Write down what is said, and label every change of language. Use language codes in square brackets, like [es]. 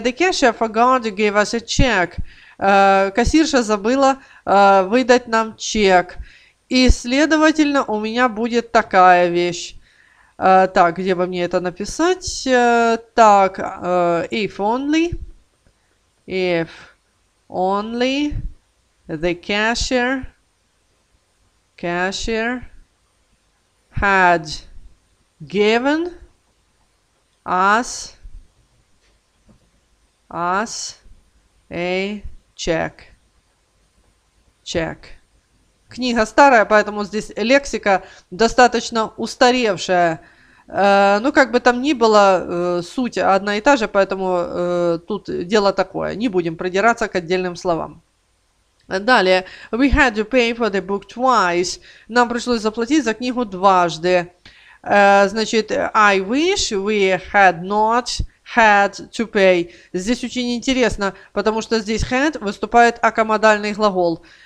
[en] The cashier forgot to give us a check. [ru] Кассирша забыла выдать нам чек. И, следовательно, у меня будет такая вещь. Так, где бы мне это написать? [en] If only the cashier had given us a check. Check. [ru] Книга старая, поэтому здесь лексика достаточно устаревшая. Ну, как бы там ни было, суть одна и та же, поэтому тут дело такое. Не будем придираться к отдельным словам. Далее. [en] We had to pay for the book twice. [ru] Нам пришлось заплатить за книгу дважды. Значит, [en] I wish we had not had to pay. [ru] Здесь очень интересно, потому что здесь had выступает аккомодальный глагол.